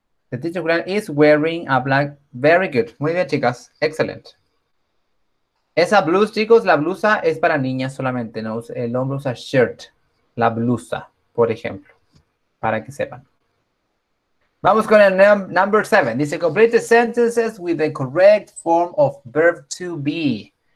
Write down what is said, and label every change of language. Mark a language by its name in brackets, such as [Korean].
[English] The teacher Julián is wearing a black, very good. [Spanish] Muy bien, chicas, excellent. Esa blusa, chicos, la blusa es para niñas solamente, ¿no? El hombre usa shirt, la blusa, por ejemplo, para que sepan. Vamos con el number 7. Dice, [English] complete the sentences with the correct form of verb to be.